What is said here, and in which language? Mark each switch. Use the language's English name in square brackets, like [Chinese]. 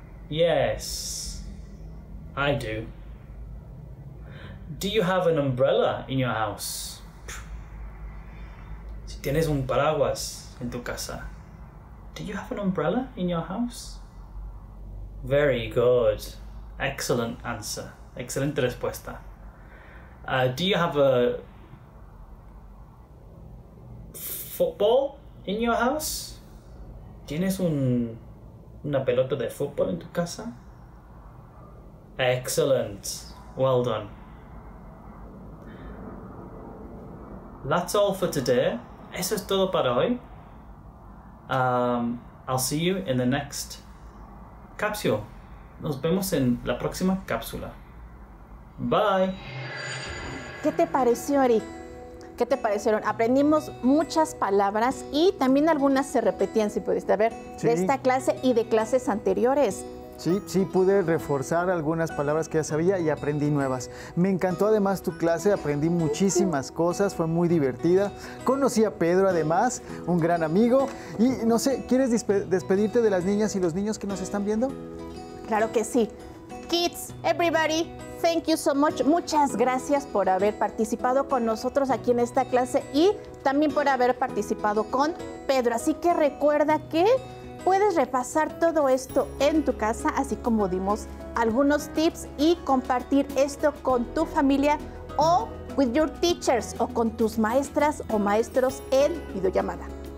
[English] Yes, I do. Do you have an umbrella in your house? [Spanish] Si tienes un paraguas en tu casa. [English] Do you have an umbrella in your house? Very good. Excellent answer. [Spanish] Excelente respuesta. [English] Do you have a football in your house? [Spanish] ¿Tienes una pelota de fútbol en tu casa? [English] Excellent. Well done. That's all for today. [Spanish] Eso es todo para hoy. [English] I'll see you in the next capsule. [Spanish] Nos vemos en la próxima cápsula. [English] Bye. [Spanish] ¿Qué te pareció, Eric? ¿Qué te parecieron? Aprendimos muchas palabras y también algunas se repetían, si pudiste ver, sí, de esta clase y de clases anteriores. Sí, sí, pude reforzar algunas palabras que ya sabía y aprendí nuevas. Me encantó además tu clase, aprendí muchísimas cosas, fue muy divertida. Conocí a Pedro además, un gran amigo. Y no sé, ¿quieres despedirte de las niñas y los niños que nos están viendo? Claro que sí. [English] Kids, everybody, thank you so much. [Spanish] Muchas gracias por haber participado con nosotros aquí en esta clase y también por haber participado con Pedro. Así que recuerda que puedes repasar todo esto en tu casa, así como dimos algunos tips, y compartir esto con tu familia o [English] with your teachers [Spanish] o con tus maestras o maestros en videollamada.